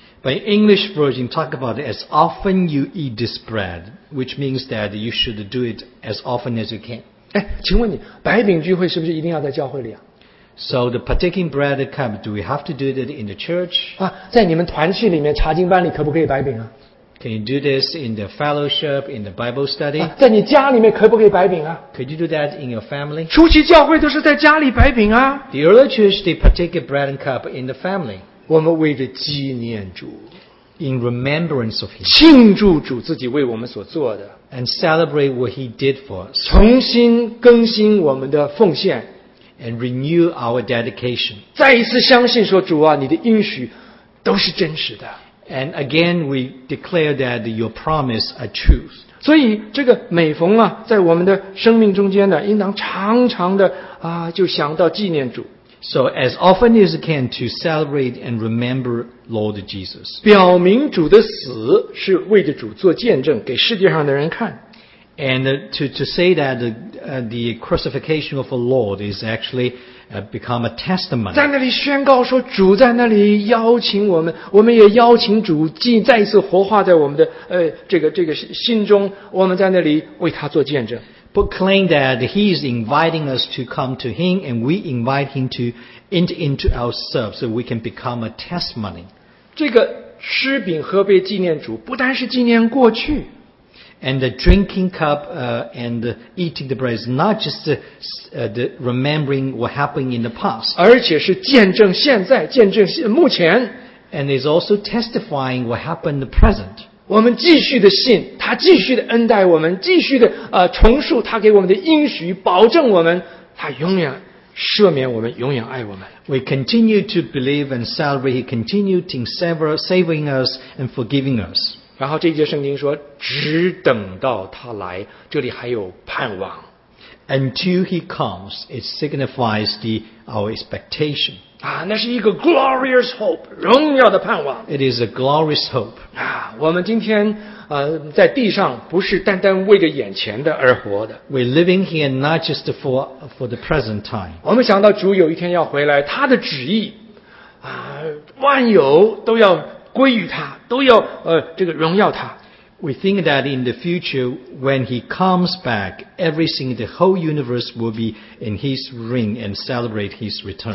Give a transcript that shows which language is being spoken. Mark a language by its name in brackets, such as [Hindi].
[English] But English version talk about as often you eat this bread, which means that you should do it as often as you can. [Chinese] 哎，请问你，白饼聚会是不是一定要在教会里啊？ [English] So the partaking bread cup, do we have to do it in the church? [Chinese] 啊，在你们团契里面查经班里可不可以白饼啊？ [English] Can you do this in the fellowship, in the Bible study? [Chinese] 啊，在你家里面可不可以白饼啊？ [English] Could you do that in your family? [Chinese] 初期教会都是在家里白饼啊。 [English] The early church, they partake bread and cup in the family. [Chinese] 我们为着纪念主。 [English] In remembrance of him. [Chinese] 庆祝主自己为我们所做的。 [English] And celebrate what he did for us. [Chinese] 重新更新我们的奉献。 [English] And renew our dedication. [Chinese] 再一次相信说主啊，你的应许都是真实的。 [English] And again, we declare that your promise are truth. [Chinese] 所以这个每逢啊，在我们的生命中间呢，应当常常的啊，就想到纪念主。 [English] So as often as you can to celebrate and remember Lord Jesus. [Chinese] 表明主的死是为着主做见证，给世界上的人看。 [English] And to say that the crucifixion of the Lord is actually become a testimony. [Chinese] 在那里宣告说主在那里邀请我们，我们也邀请主再一次活化在我们的这个心中，我们在那里为他做见证。 [English] Proclaim that he is inviting us to come to him and we invite him to enter into ourselves so we can become a testimony. [Chinese] 这个吃饼喝杯纪念主不单是纪念过去。 [English] And the drinking cup and eating the bread is not just the remembering what happened in the past. [Chinese] 而且是见证现在，见证目前。 [English] And is also testifying what happened in the present. [Chinese] 我们继续的信，他继续的恩待我们，继续的重述他给我们的应许，保证我们，他永远赦免我们，永远爱我们。 [English] We continue to believe and celebrate. He continued to saving us and forgiving us. [Chinese] 然后这节圣经说只等到他来，这里还有盼望。 [English] Until he comes, it signifies our expectation. [Chinese] 啊，那是一个 [English] glorious hope, [Chinese] 荣耀的盼望。 [English] It is a glorious hope. [Chinese] 啊，我们今天在地上不是单单为着眼前的而活的。 [English] We're living here not just for the present time. [Chinese] 我们想到主有一天要回来，他的旨意万有都要归于他，都要这个荣耀他。 [English] We think that in the future, when he comes back, everything, the whole universe will be in his ring and celebrate his return.